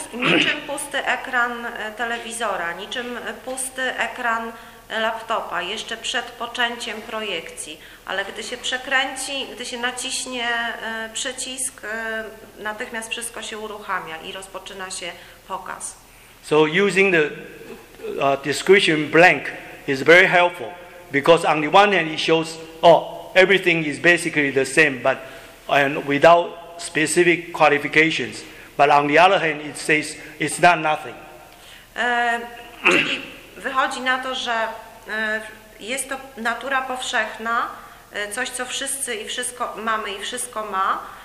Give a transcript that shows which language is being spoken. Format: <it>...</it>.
<pl>Niczym pusty ekran telewizora, niczym pusty ekran laptopa, jeszcze przed poczęciem projekcji. Ale gdy się przekręci, gdy się naciśnie przycisk, natychmiast wszystko się uruchamia i rozpoczyna się pokaz.</pl> <en>So using the description blank is very helpful, because on the one hand it shows, oh, everything is basically the same, but and without specific qualifications, but on the other hand, it says it's not nothing.</en> <pl>Czyli wychodzi na to, że jest to natura powszechna, coś, co wszyscy i wszystko mamy i wszystko ma.</pl>